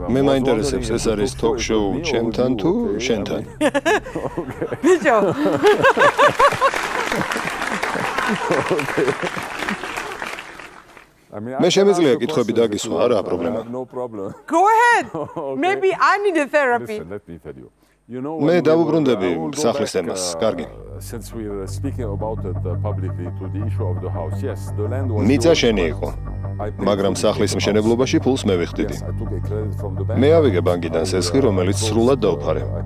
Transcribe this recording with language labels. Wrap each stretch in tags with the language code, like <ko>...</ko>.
<ka>მე მაინტერესებს ეს არის ток შოუ ჩემთან თუ შენთან? ბიჭო. მე შემეძლია კითხები დაგისვა, არა პრობლემა.</ka> <en>Go ahead. Maybe I need a therapy. Listen, let me tell you.</en> <ka>მე დავუბრუნდები სახლის თემას, კარგი.</ka> <en>Since we were speaking about it publicly to the issue of the house, yes, the land was</en> <ka>მიწა შენი იყო, მაგრამ სახლის მშენებლობაში ფულს მე ვიხდიდი. მე ავიღე ბანკიდან სესხი, რომელიც სრულად დაუფარე.</ka>